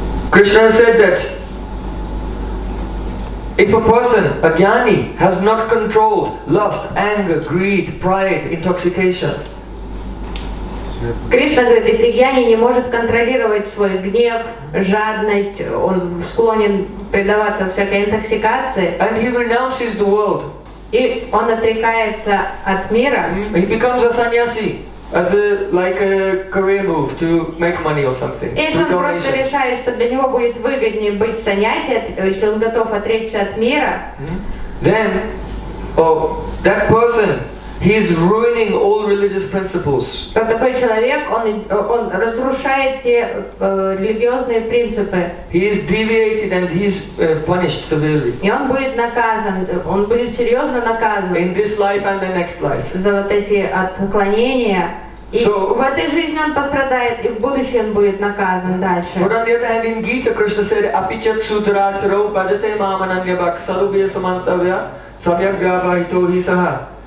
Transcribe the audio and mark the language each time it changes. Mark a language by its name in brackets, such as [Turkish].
[English] Krishna said that if a person, a jnani, has not controlled lust, anger, greed, pride, intoxication. [Russian] Krishna говорит, если jnani не может контролировать свой гнев, жадность, он склонен предаваться всякой интоксикации. [English] And he renounces the world. [Russian] И он отрекается от мира. [English] He becomes a sannyasi. Like a career move to make money or something. [Russian] Если он просто решает, что для него будет выгоднее быть саньяси, если он готов отречься от мира, [English] then, that person, he is ruining all religious principles. [Russian] То такой человек, он разрушает все религиозные принципы. [English] He is deviated and he is punished severely. [Russian] И он будет наказан, он будет серьезно наказан. [English] In this life and the next life. [Russian] За вот эти отклонения. И so, в этой жизни он пострадает, и в будущем он будет наказан дальше. [English] But on the other hand, in Gita, Krishna said, [Sanskrit] Apichat sutaracharo bhajate mamananya bhaksarubhya samantavya samyagyavahito hi saha.